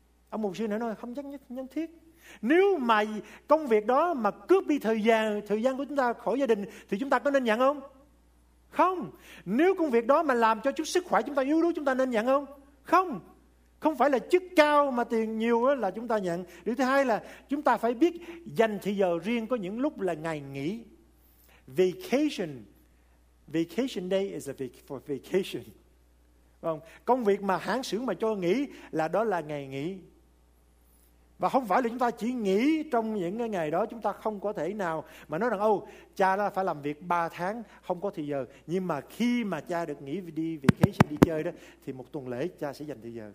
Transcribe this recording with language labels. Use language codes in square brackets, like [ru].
[vi] Ông mục sư này nói không chắc nhất thiết. Nếu mà công việc đó mà cướp đi thời gian của chúng ta khỏi gia đình thì chúng ta có nên nhận không? Không. Nếu công việc đó mà làm cho chút sức khỏe chúng ta yếu đuối, chúng ta nên nhận không? Không. Không phải là chức cao mà tiền nhiều là chúng ta nhận. Điều thứ hai là chúng ta phải biết dành thời giờ riêng, có những lúc là ngày nghỉ. [en] Vacation. Vacation day is a week for vacation. [vi] Không? Công việc mà hãng xưởng mà cho nghỉ là đó là ngày nghỉ. Và không phải là chúng ta chỉ nghỉ trong những ngày đó, chúng ta không có thể nào mà nói rằng cha là phải làm việc 3 tháng, không có thời giờ. Nhưng mà khi mà cha được nghỉ đi vacation, đi chơi đó, thì một tuần lễ cha sẽ dành thời giờ.